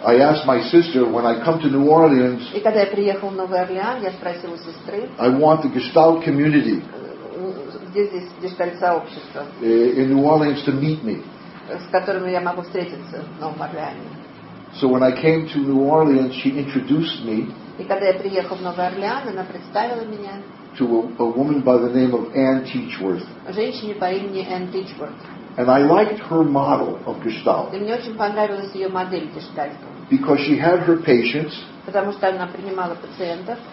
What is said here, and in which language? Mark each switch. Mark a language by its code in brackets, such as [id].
[en] I asked my sister, when I come to New Orleans. [ru] И когда я приехал в Новый Орлеан, я спросил у сестры. [en] I want the Gestalt community. [ru] Где здесь Gestalt сообщество? [en] In New Orleans to meet me. [ru] С которым я могу встретиться в Новом Орлеане. [en] So when I came to New Orleans, she introduced me. [ru] И когда я приехал в Новый Орлеан, она представила меня. [en] To a woman by the name of Ann Teachworth. [ru] Женщине по имени Ann Teachworth. [en] And I liked her model of Gestalt. [ru] И мне очень понравилась ее модель Гештальта. [en] Because she had her patients. [ru] Потому что она принимала пациентов.